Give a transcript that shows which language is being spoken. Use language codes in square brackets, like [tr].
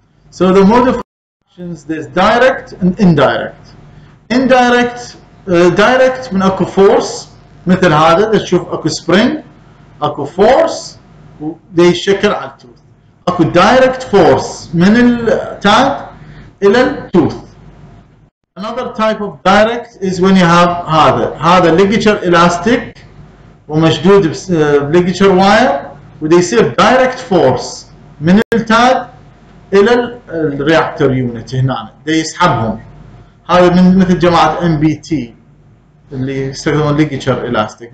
[en] So the mode of actions, there's direct and indirect. [ar] Indirect, direct من اكو force مثل هذا تشوف اكو spring اكو force دي شكل على التوث. اكو direct force من التاد الى التوث. [en] Another type of direct is when you have هذا. [ar] هذا ligature elastic ومشدود ligature wire ودي يصير direct force من التاد الى الرياكتور يونت هنا دي يسحبهم. هذا من مثل جماعة MBT اللي يستخدمون ليجيتشر إلاستيك.